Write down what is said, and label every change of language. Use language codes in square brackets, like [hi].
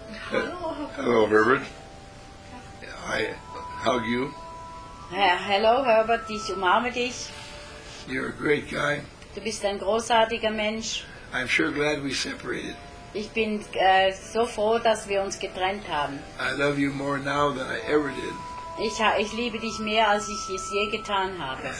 [de] Hallo. Hallo, [en] Herbert. I hug you. [de] Hallo, Herbert. Ich umarme dich. [en] You're a great guy. [de] Du bist ein großartiger Mensch. [en] I'm sure glad we separated. [de] Ich bin so froh, dass wir uns getrennt haben. [en] I love you more now than I ever did. [de] Ich liebe dich mehr, als ich es je getan habe.